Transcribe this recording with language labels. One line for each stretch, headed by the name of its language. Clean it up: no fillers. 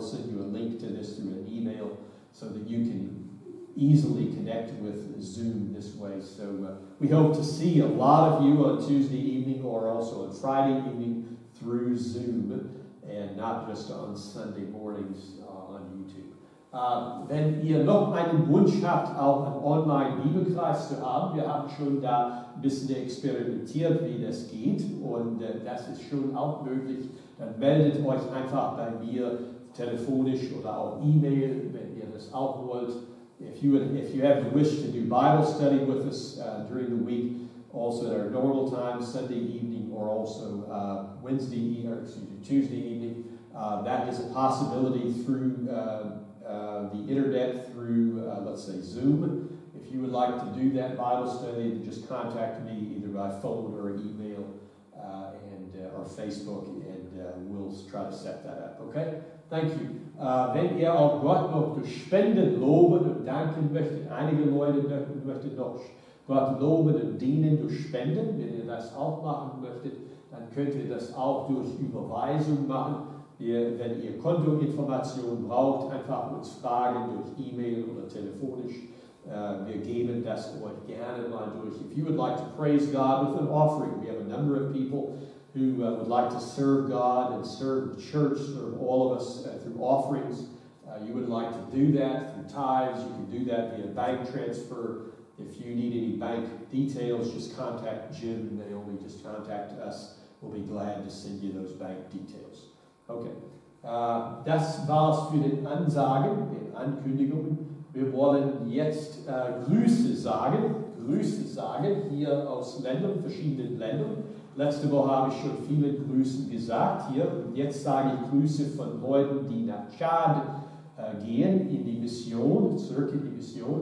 English: We'll send you a link to this through an email so that you can easily connect with Zoom this way. So we hope to see a lot of you on Tuesday evening or also on Friday evening through Zoom, and not just on Sunday mornings on YouTube.
German: Wenn ihr noch einen Wunsch habt, auch einen Online-Bibelkreis zu haben, wir haben schon da ein bisschen experimentiert, wie das geht, und das ist schon auch möglich, dann meldet euch einfach bei mir telefonisch oder auch E-Mail, wenn ihr das auch wollt.
English: If you have the wish to do Bible study with us during the week, also at our normal time, Sunday evening, or also Tuesday evening, that is a possibility through the internet, through, let's say, Zoom. If you would like to do that Bible study, then just contact me either by phone or email or Facebook, and we'll try to set that up, okay? Thank you.
German: Wenn ihr auch Gott noch durch Spenden loben und danken möchtet, einige Leute möchten noch Gott loben und dienen durch Spenden, wenn ihr das auch machen möchtet, dann könnt ihr das auch durch Überweisung machen. Wenn ihr Kontoinformationen braucht, einfach uns fragen durch E-Mail oder telefonisch. Wir geben das euch gerne mal durch.
English: If you would like to praise God with an offering, we have a number of people who would like to serve God and serve the church, serve all of us through offerings. You would like to do that through tithes. You can do that via bank transfer. If you need any bank details, just contact Jim and Naomi. Just contact us. We'll be glad to send you those bank details. Okay.
German: Das war es für den Ansagen, den Ankündigungen. Wir wollen jetzt Grüße sagen, hier aus Ländern, verschiedenen Ländern. Letzte Woche habe ich schon viele Grüße gesagt hier. Und jetzt sage ich Grüße von Leuten, die nach Tschad gehen, in die Mission, zurück in die Mission.